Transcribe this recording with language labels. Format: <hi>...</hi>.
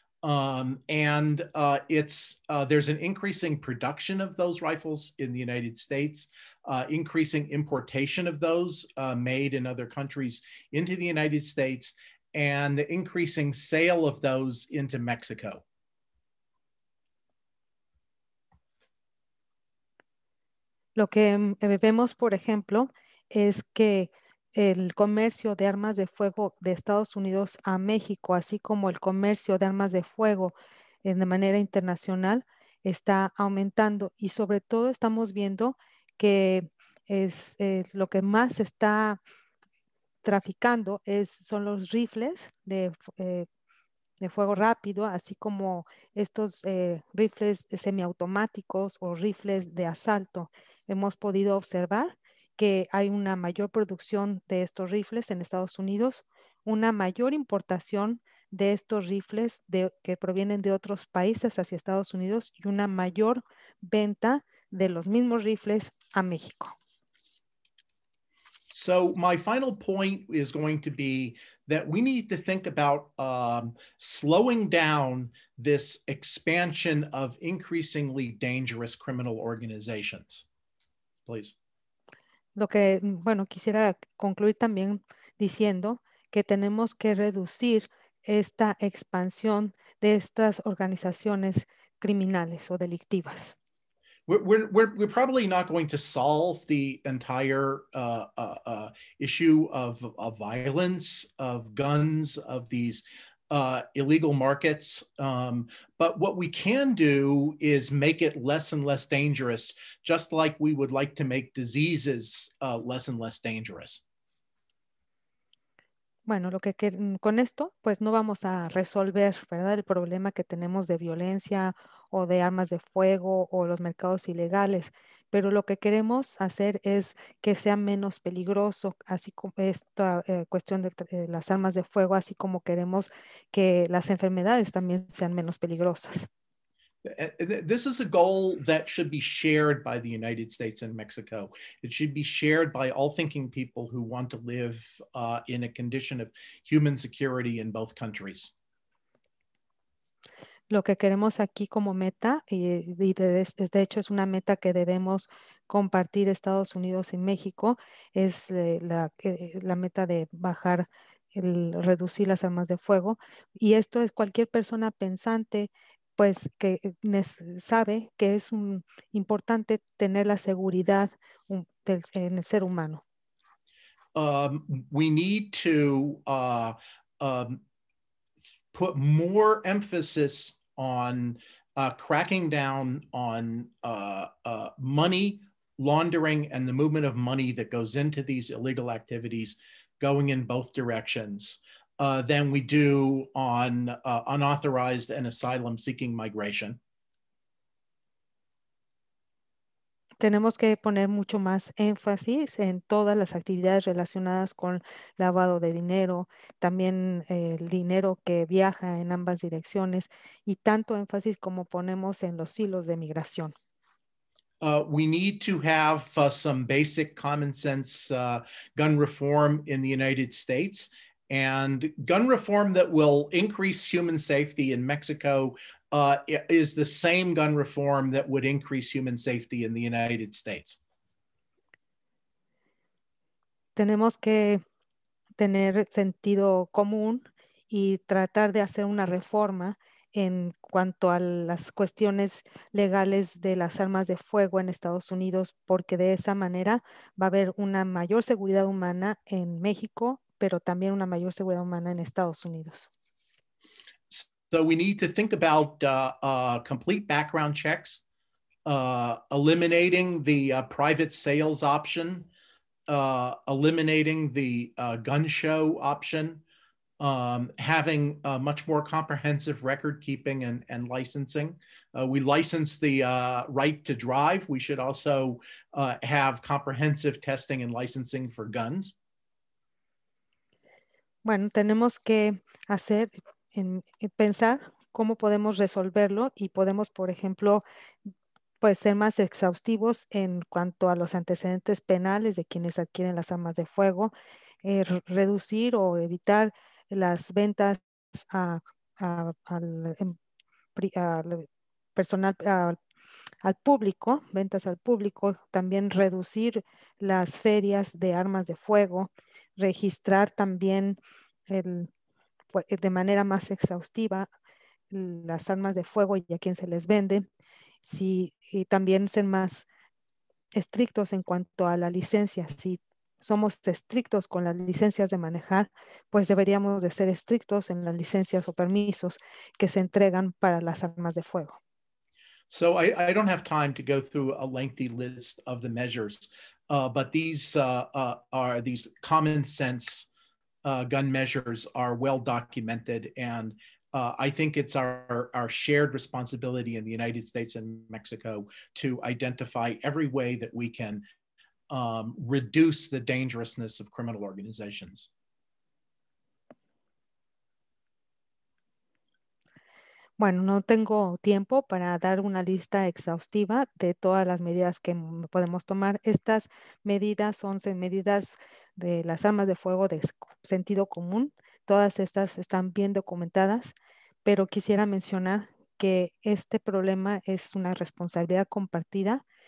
<en>There's an increasing production of those rifles in the United States, increasing importation of those made in other countries into the United States, and the increasing sale of those into Mexico.</en> <es>Lo que vemos, por ejemplo, es que el comercio de armas de fuego de Estados Unidos a México, así como el comercio de armas de fuego de manera internacional, está aumentando, y sobre todo estamos viendo que es lo que más se está traficando son los rifles de fuego rápido, así como estos rifles semiautomáticos o rifles de asalto. Hemos podido observar que hay una mayor producción de estos rifles en Estados Unidos, una mayor importación de estos rifles que provienen de otros países hacia Estados Unidos, y una mayor venta de los mismos rifles a México.</es> <en>So my final point is going to be that we need to think about slowing down this expansion of increasingly dangerous criminal organizations. Please.</en> <es>Lo que, bueno, quisiera concluir también diciendo que tenemos que reducir esta expansión de estas organizaciones criminales o delictivas.</es> <en>We're probably not going to solve the entire issue of violence, of guns, of these illegal markets, but what we can do is make it less and less dangerous, just like we would like to make diseases less and less dangerous.</en> <es>Bueno, lo que con esto, pues no vamos a resolver, ¿verdad?, el problema que tenemos de violencia o de armas de fuego o los mercados ilegales, pero lo que queremos hacer es que sea menos peligroso, así como esta cuestión de las armas de fuego, así como queremos que las enfermedades también sean menos peligrosas.</es> <en>This is a goal that should be shared by the United States and Mexico. It should be shared by all thinking people who want to live in a condition of human security in both countries.</en> <es>Lo que queremos aquí como meta, y de hecho es una meta que debemos compartir Estados Unidos y México, es la meta de bajar, reducir las armas de fuego. Y esto es cualquier persona pensante, pues que sabe que es importante tener la seguridad en el ser humano.</es> <en>We need to put more emphasis on cracking down on money laundering and the movement of money that goes into these illegal activities going in both directions than we do on unauthorized and asylum seeking migration.</en> <es>Tenemos que poner mucho más énfasis en todas las actividades relacionadas con lavado de dinero, también el dinero que viaja en ambas direcciones, y tanto énfasis como ponemos en los hilos de migración.</es> <en>We need to have some basic common sense gun reform in the United States, and gun reform that will increase human safety in Mexico is the same gun reform that would increase human safety in the United States.</en> <es>Tenemos que tener sentido común y tratar de hacer una reforma en cuanto a las cuestiones legales de las armas de fuego en Estados Unidos, porque de esa manera va a haber una mayor seguridad humana en México, pero también una mayor seguridad humana en Estados Unidos.</es> <en>So we need to think about complete background checks, eliminating the private sales option, eliminating the gun show option, having a much more comprehensive record keeping and licensing. We license the right to drive. We should also have comprehensive testing and licensing for guns.</en> <es>Bueno, tenemos que hacer pensar cómo podemos resolverlo y podemos, por ejemplo, pues ser más exhaustivos en cuanto a los antecedentes penales de quienes adquieren las armas de fuego, reducir o evitar las ventas al público, ventas al público, también reducir las ferias de armas de fuego, registrar también de manera más exhaustiva las armas de fuego y a quién se les vende, y también ser más estrictos en cuanto a la licencia. Si somos estrictos con las licencias de manejar, pues deberíamos de ser estrictos en las licencias o permisos que se entregan para las armas de fuego.</es> <en>So I don't have time to go through a lengthy list of the measures, but these common sense gun measures are well documented, and I think it's our shared responsibility in the United States and Mexico to identify every way that we can reduce the dangerousness of criminal organizations.</en> <es>Bueno, no tengo tiempo para dar una lista exhaustiva de todas las medidas que podemos tomar. Estas medidas, 11 medidas de las armas de fuego de sentido común, todas estas están bien documentadas, pero quisiera mencionar que este problema es una responsabilidad compartida.</es>